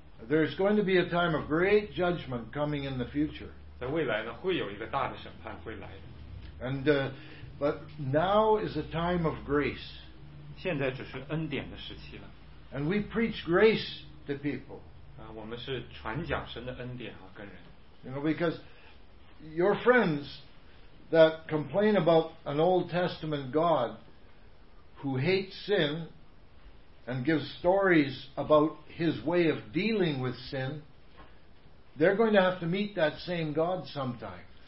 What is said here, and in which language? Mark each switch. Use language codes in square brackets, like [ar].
[en] There is going to be a time of great judgment coming in the future. [zh] 在未来呢，会有一个大的审判会来的。 [en] And but now is a time of grace. [zh] 现在只是恩典的时期了。 [en] And we preach grace to people. [zh] 我们是传讲神的恩典啊，跟人。 [en] You know, because your friends that complain about an Old Testament God who hates sin and gives stories about His way of dealing with sin, they're going to have to meet that same God sometime.